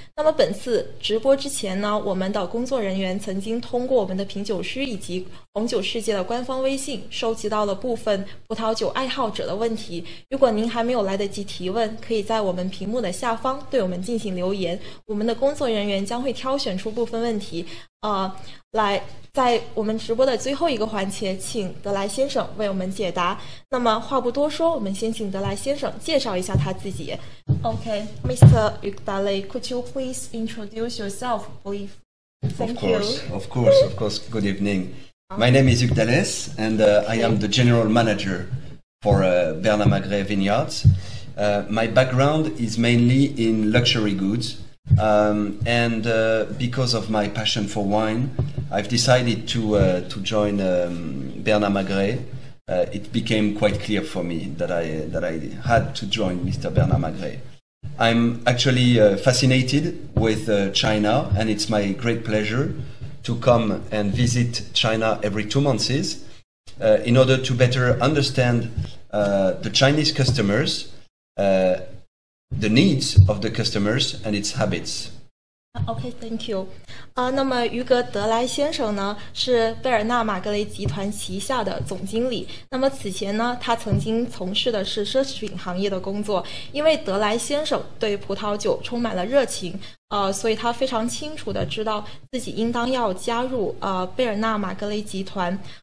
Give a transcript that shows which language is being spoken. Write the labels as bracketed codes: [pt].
[zh] 那么本次直播之前呢，我们的工作人员曾经通过我们的品酒师以及红酒世界的官方微信收集到了部分葡萄酒爱好者的问题，如果您还没有来得及提问，可以在我们屏幕的下方对我们进行留言，我们的工作人员将会挑选出部分问题来在我们直播的最后一个环节请德莱先生为我们解答。那么话不多说，我们先请德莱先生介绍一下他自己。 [en] OK, Mr. Hugues de Lay, could you please introduce yourself, please? Of course. Good evening. My name is Hugues de Lay and I am the general manager for Bernard Magrez Vineyards. My background is mainly in luxury goods. Because of my passion for wine, I've decided to join Bernard Magrez. It became quite clear for me that I had to join Mr. Bernard Magrez. I'm actually fascinated with China, and it's my great pleasure to come and visit China every 2 months in order to better understand the Chinese customers, the needs of the customers and its habits. Okay, thank you. [zh] 那么于格德莱先生呢，是贝尔纳马格雷集团旗下的总经理。那么此前呢，他曾经从事的是奢侈品行业的工作。因为德莱先生对葡萄酒充满了热情，所以他非常清楚的知道自己应当要加入贝尔纳马格雷集团。